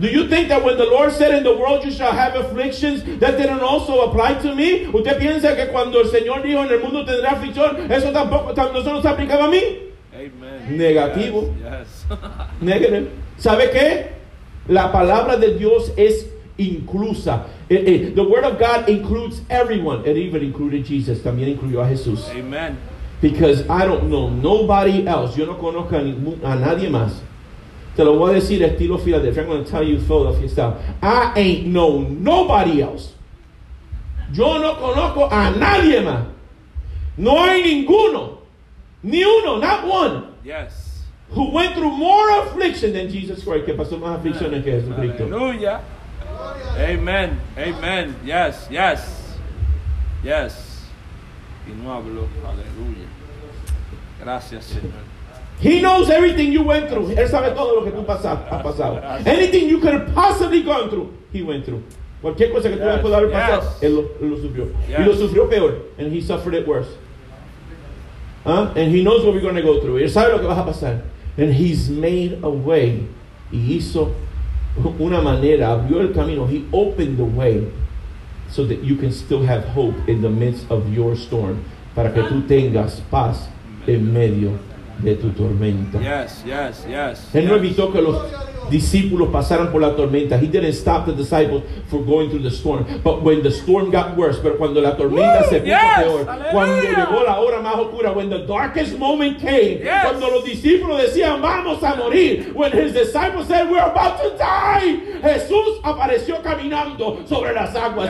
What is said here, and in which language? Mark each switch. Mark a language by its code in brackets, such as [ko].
[en] Do you think that when the Lord said in the world you shall have afflictions, that didn't also apply to me? [es] ¿Usted piensa que cuando el Señor dijo en el mundo tendrá aflicción, eso tampoco, no se aplicaba a mí? [en] Amen. [es] Negativo. [en] Yes. Yes. Negative. [es] ¿Sabe qué? La palabra de Dios es inclusa. [en] The word of God includes everyone. It even included Jesus. [es] También incluyó a Jesús. [en] Amen. Because I don't know nobody else. [es] Yo no conozco a nadie más. Te lo voy a decir estilo Philadelphia. [en] I'm going to tell you Philadelphia style. I ain't know nobody else. [es] Yo no conozco a nadie más. No hay ninguno. Ni uno. [en] Not one. Yes. Who went through more affliction than Jesus Christ. [es] Que pasó más aflicción que Jesucristo. Aleluya. Amen. Amen. Yes. Yes. Yes. Y no habló. Aleluya. Gracias, Señor. [en] He knows everything you went through. [es] Él sabe todo lo que tú has pasado. [en] Anything you could have possibly gone through, he went through. [es] Cualquier cosa que tú hayas podido haber pasado, [en] yes. [es] él lo sufrió. [en] Yes. [es] Y lo sufrió peor. [en] And he suffered it worse. Huh? And he knows what we're going to go through. [es] Él sabe lo que vas a pasar. [en] And he's made a way. [es] Y hizo una manera. Abrió el camino. [en] He opened the way so that you can still have hope in the midst of your storm. [es] Para que tú tengas paz en medio de tu tormenta. [en] Yes, yes, yes. [es] Él no evitó que los discípulos pasaran por la tormenta. [en] He didn't stop the disciples for going through the storm. But when the storm got worse, [es] pero cuando la tormenta [en] Woo! [es] Se puso [en] yes! [es] peor, cuando Aleluya! Llegó la hora más oscura, [en] when the darkest moment came, yes! [es] cuando los discípulos decían, vamos a morir, [en] when his disciples said, we're about to die, [es] Jesús apareció caminando sobre las aguas.